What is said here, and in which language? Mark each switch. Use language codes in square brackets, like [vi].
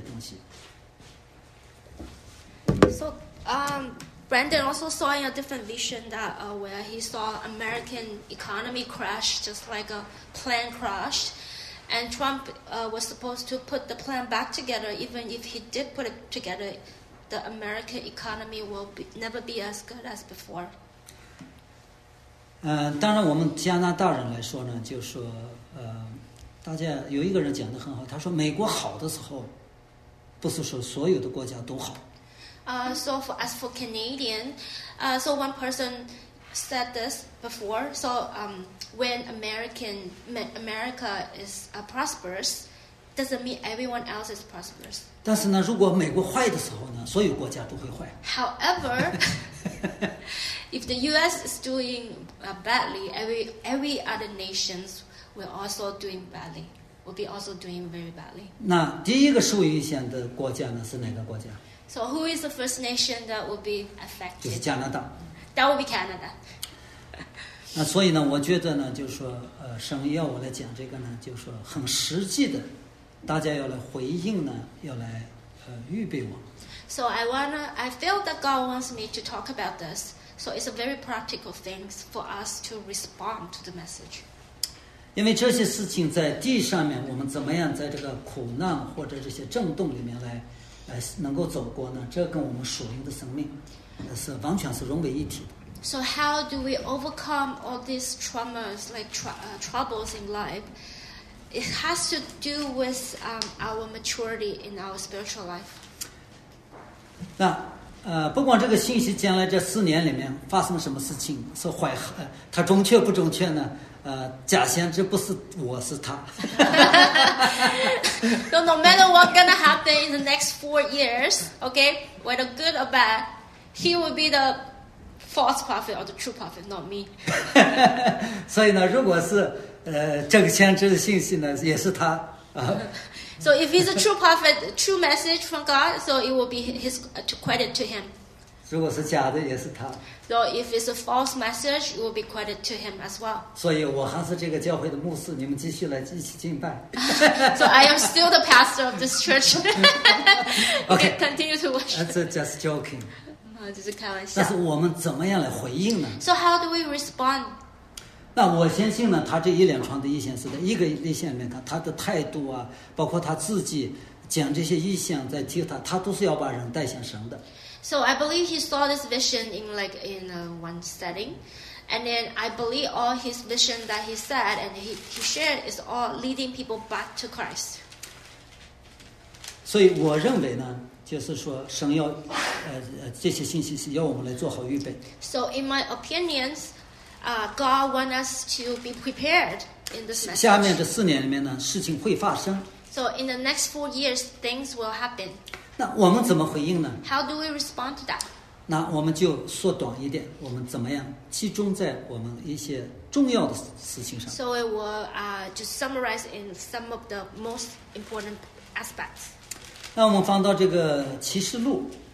[zh] 非常非常黑暗的时期，那就是说这个时期，他在另外的意象里面呢看到，就是说，这个美国的这个经济呢，消息好像一个飞机呢就坠毁了，坠毁了以后呢，川普要把它收拾起来，收拾起来呢，能用作，但是永远跟以前就不再一样。当然还有另外一些，也有另外的先知的一些东西。So [en] Brandon also saw in a different vision that where he saw American economy crash just like a plane crashed, and Trump was supposed to put the plane back together. Even if he did put it together, the American economy will never be as good as before. [zh] 当然我们加拿大人来说呢，就是说，大家有一个人讲得很好，他说美国好的时候，不是说所有的国家都好。 [en] So for Canadian, so one person said this before. So when America is prosperous, doesn't mean everyone else is prosperous. [zh] 但是呢，如果美国坏的时候呢，所有国家都会坏。 [en] However, if the U.S. is doing badly, every other nations will also doing badly, will be also doing very badly. [zh] 那第一个受影响的国家呢，是哪个国家？ [en] So who is the first nation that will be affected? [zh] 就是加拿大。 [en] That will be Canada. [zh] 那所以呢，我觉得呢，就是说，神要我来讲这个呢，就是说很实际的。大家要来回应呢，要来预备我。 [en] So I feel that God wants me to talk about this. So it's a very practical thing for us to respond to the message. [zh] 因为这些事情在地上面，我们怎么样在这个苦难或者这些震动里面来能够走过呢？这跟我们属灵的生命是完全是融为一体的。 [en] So how do we overcome all these traumas, like troubles in life? It has to do with our maturity in our spiritual life. [zh] 那不管这个信息将来这四年里面发生什么事情，是坏它准确不准确呢？假先知不是我，是他。 [en] So no matter what's gonna happen in the next 4 years, okay, whether good or bad, he will be the false prophet or the true prophet, not me. [zh] 所以呢，如果是这个先知的信息呢，也是他 [en] So if he's a true prophet, true message from God, so it will be his credit to him. [zh] 如果是假的，也是他。 [en] So if it's a false message, it will be credit to him as well. [zh] 所以我还是这个教会的牧师，你们继续来一起敬拜。 [en] So I am still the pastor of this church. Okay, continue to worship. That's just joking. [zh] 就是开玩笑。但是我们怎么样来回应呢 [en] ？So how do we respond? [zh] 那我相信呢，他这一连串的异象是在一个异象里面，他的态度啊，包括他自己讲这些异象，在提他都是要把人带向神的。 [en] So I believe he saw this vision in like in one setting, and then I believe all his vision that he said and he shared is all leading people back to Christ. [zh] 所以我认为呢。就是说神要这些信息是要我们来做好预备。 [en] So in my opinions, God wants us to be prepared in this message. [zh] 下面这四年里面呢，事情会发生。 [en] So in the next 4 years, things will happen. [zh] 那我们怎么回应呢 [en] ？How do we respond to that? [zh] 那我们就缩短一点，我们怎么样集中在我们一些重要的事情上 [en] ？So I will just summarize in some of the most important aspects. [zh] 那我们翻到这个启示录。